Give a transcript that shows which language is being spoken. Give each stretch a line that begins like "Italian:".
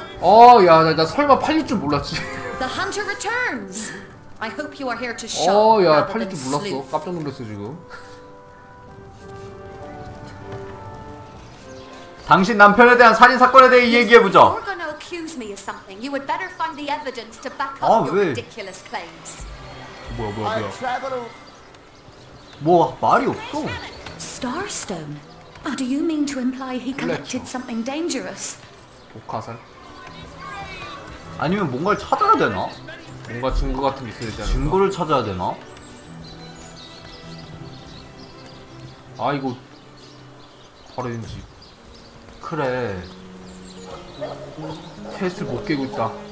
Korean: 어 야 나 설마 팔릴 줄 몰랐지.
English: The hunter returns. I hope you are here to shop.
Korean: 어, 야, 팔릴 줄 몰랐어. 깜짝 놀랐어 지금. 당신 남편에 대한 살인 사건에 대해 얘기해 보죠.
English: You would better find the evidence to back up your ridiculous claims.
Korean: 뭐야? 뭐 말이 없어.
English: Starstone. Or do you mean to imply he committed something dangerous?
Korean: 옥화살? 아니면 뭔가를 찾아야 되나? 뭔가 증거 같은 게 있어야 되나? 증거를 찾아야 되나? 아 이거 다른 집. 그래. 테스트 못 깨고 있다.